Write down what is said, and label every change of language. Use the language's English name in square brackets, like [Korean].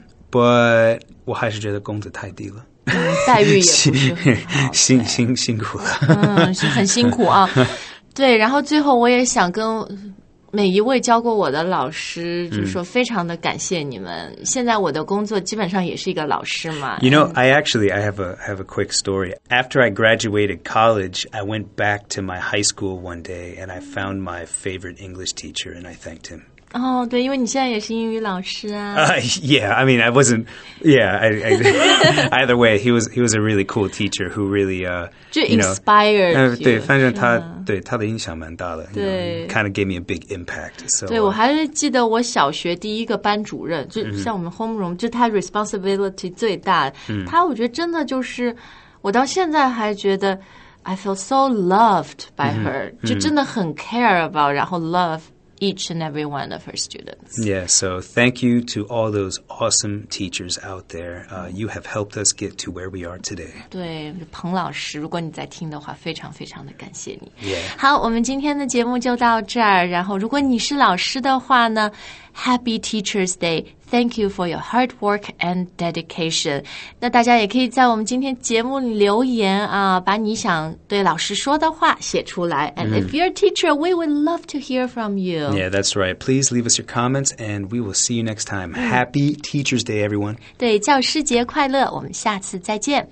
[Chinese] But 我还是觉得工资太低了。待遇也不是很好，辛苦了，是很辛苦啊。对，然后最后我也想跟每一位教过我的老师，就是说非常的感谢你们。现在我的工作基本上也是一个老师嘛。 [English] You know, I have a quick story. After I graduated college, I went back to my high school one day and I found my favorite English teacher and I thanked him. [Chinese] 哦，对，因为你现在也是英语老师啊。 [English] Yeah, I mean, I wasn't. Yeah, either way, he was a really cool teacher who really inspired. [Chinese] 对，反正他对他的影响蛮大的。对 [English] ，kind of gave me a big impact. So, [Chinese] 对，我还是记得我小学第一个班主任，就像我们 homeroom, 就他 responsibility 最大。他我觉得真的就是，我到现在还觉得 [English] I feel so loved by her, [Chinese] 就真的很 [English] care about, [Chinese] 然后 love. [English] Each and every one of her students. Yeah, so thank you to all those awesome teachers out there. You have helped us get to where we are today. [Chinese] 对，彭老师，如果你在听的话，非常非常的感谢你。 [English] Yeah. [Chinese] 好，我们今天的节目就到这儿。然后，如果你是老师的话呢 ， [English] Happy Teachers Day. Thank you for your hard work and dedication. [Chinese] 那大家也可以在我们今天节目里留言啊，把你想对老师说的话写出来。 [English] And if you're a teacher, we would love to hear from you. Yeah, that's right. Please leave us your comments, and we will see you next time. Happy Teachers Day, everyone. [Chinese] 对，教师节快乐！我们下次再见。